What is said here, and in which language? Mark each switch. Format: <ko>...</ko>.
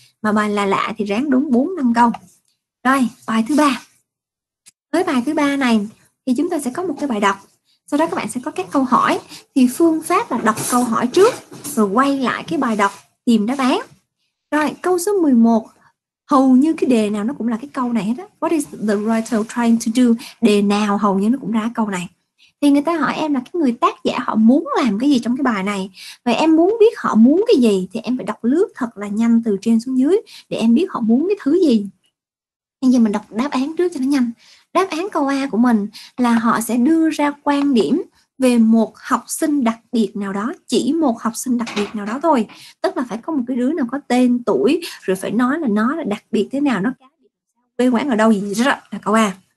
<vi>Mà bài là lạ thì ráng đúng 4, 5 câu. Rồi, bài thứ ba. Với bài thứ ba này thì chúng ta sẽ có một cái bài đọc. Sau đó các bạn sẽ có các câu hỏi. Thì phương pháp là đọc câu hỏi trước rồi quay lại cái bài đọc tìm đáp án. Rồi, câu số 11. Hầu như cái đề nào nó cũng là cái câu này hết á.</vi> <en>What is the writer trying to do?</en> <vi>Đề nào hầu như nó cũng ra câu này. Thì người ta hỏi em là cái người tác giả họ muốn làm cái gì trong cái bài này. Và em muốn biết họ muốn cái gì thì em phải đọc lướt thật là nhanh từ trên xuống dưới để em biết họ muốn cái thứ gì. Bây giờ mình đọc đáp án trước cho nó nhanh. Đáp án câu A của mình là họ sẽ đưa ra quan điểm về một học sinh đặc biệt nào đó, chỉ một học sinh đặc biệt nào đó thôi, tức là phải có một cái đứa nào có tên tuổi rồi phải nói là nó là đặc biệt thế nào, nó cá biệt quê quán ở đâu gì đó, là câu A.</vi>